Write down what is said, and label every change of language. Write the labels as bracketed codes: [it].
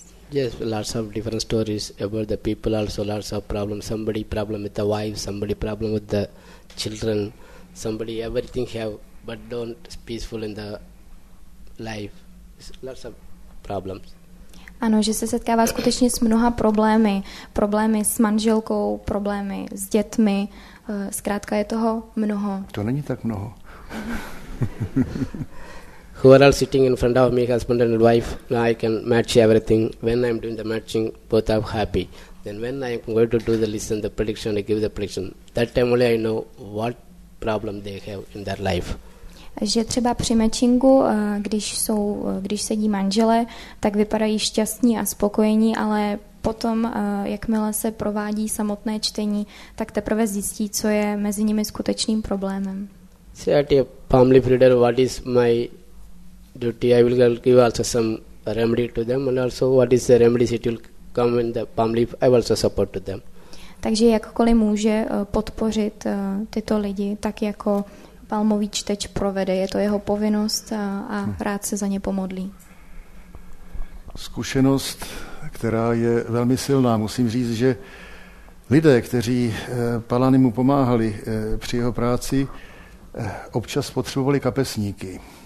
[en] Yes, lots of different stories about the people also, lots of problems. Somebody problem with the wife, somebody problem with the children, somebody everything have, but don't peaceful in the life. It's lots of problems. [cs] Ano, že se setkává skutečně s mnoha problémy. Problémy s manželkou, problémy s dětmi. Zkrátka je toho mnoho. To není tak mnoho. [en] Who are all sitting in front of me, husband and wife, now I can match everything. When I'm doing the matching, both are happy. Then when I'm going to do the listen, the prediction, I give the prediction. That time only I know what problem they have in their life. [cs] Že třeba při matchingu, když sedí manžele, tak vypadají šťastní a spokojení, ale potom, jakmile se provádí samotné čtení, tak teprve zjistí, co je mezi nimi skutečným problémem. [en] See, at a family leader, what is my duty, I will give also some remedy to them, and also what is the remedy it will come in the palm leaf, I will also support to them. [cs] Takže jakkoliv může podpořit tyto lidi, tak jako palmový čteč provede, je to jeho povinnost a rád se za ně pomodlí. Zkušenost, která je velmi silná, musím říct, že Lidé, kteří Palány mu pomáhali při jeho práci, občas potřebovali kapesníky.